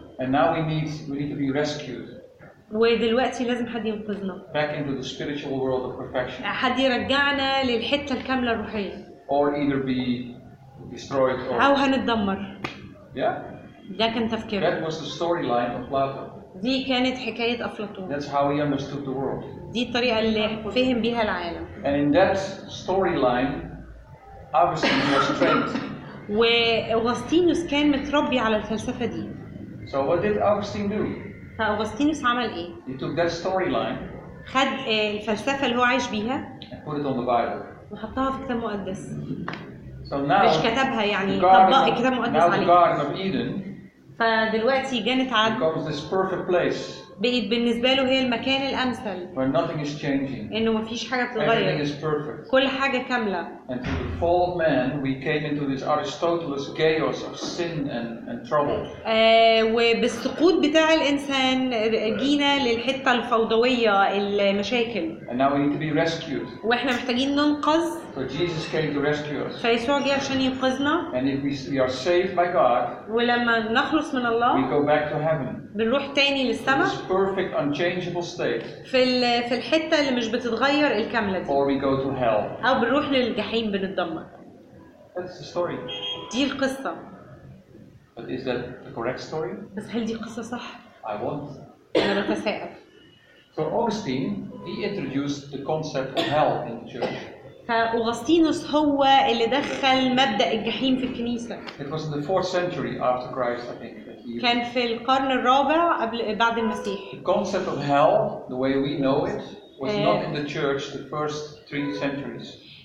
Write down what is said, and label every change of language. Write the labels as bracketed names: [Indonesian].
[English] And now we need to be rescued. [Arabic] ودلوقتي لازم حد ينقذنا. [English] Back into the spiritual world of perfection. [Arabic] حد يرجعنا للحتة الكاملة الروحية. [English] Or either be destroyed or. [Arabic] أو هنتدمر. [English] Yeah. [Arabic] ده كان تفكيره. [English] That was the storyline of Plato. [Arabic] دي كانت حكاية أفلاطون. [English] That's how he understood the world. [Arabic] دي الطريقة اللي فهم بيها العالم. [English] And in that storyline, Augustine was trained. [Arabic] وأغسطينوس كان متربي على الفلسفة دي. [English] So what did Augustine do? [Arabic] فأغسطينوس عمل إيه؟ [English] He took that storyline. [Arabic] خد الفلسفة اللي هو عايش بيها. [English] And put it on the Bible. [Arabic] وحطها في الكتاب المقدس. [English] So now. [Arabic] مش كتبها يعني. طبق الكتاب المقدس عليه. [English] Now the Garden of Eden. [Arabic] فدلوقتي جنت عدن. [English] Becomes this perfect place. [Arabic] بقيت بالنسبة له هي المكان الأمثل. [English] Where nothing is changing. [Arabic] إنه مفيش حاجة بتتغير. [English] Everything is perfect. [Arabic] كل حاجة كاملة. [English] And through the fall of man, we came into this Aristoteles chaos of sin and trouble. [Arabic] وبالسقوط بتاع الإنسان جينا للحتة الفوضوية المشاكل. [English] And now we need to be rescued. [Arabic] وإحنا محتاجين ننقذ. [English] So Jesus came to rescue us. [Arabic] فيسوع جه عشان ينقذنا. [English] And if we are saved by God. [Arabic] ولما نخلص من الله. [English] We go back to heaven. [Arabic] بنروح تاني للسماء. [English] Perfect, unchangeable state. [Arabic] في الحتة اللي مش بتتغير الكاملة دي. [English] Or we go to hell. [Arabic] أو بنروح للجحيم بنتدمر. [English] That's the story. [Arabic] دي القصة. [English] But is that the correct story? [Arabic] بس هل دي قصة صح؟ [English] I want. [Arabic] أنا بتساءل. [English] So Augustine, he introduced the concept of hell in the church. [Arabic] فأغسطينوس هو اللي دخل مبدأ الجحيم في الكنيسة. [English] It was in the 4th century after Christ, I think. [Arabic] كان في القرن الرابع قبل بعد المسيح. [English] The concept of hell, the way we know it, was not in the church the first 3 centuries.